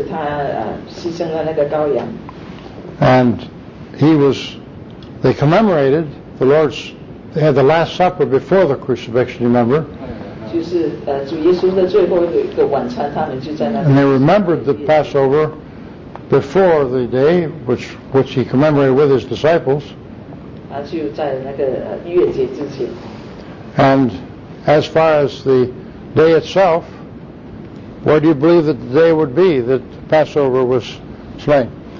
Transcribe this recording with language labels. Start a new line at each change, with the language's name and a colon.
Chinese: 那个原来的那个逾越节就是他牺牲了那个羔羊.
English: And he was, they commemorated the Lord's, they had the Last Supper before the crucifixion, remember?
Chinese: 就是主耶稣的最后一个晚餐，他们就在那里.
English: And they remembered the Passover before the day which he commemorated with his disciples.
Chinese: 就在那个逾越节之前.
English: And as far as the day itself, what do you believe that the day would be that Passover was slain?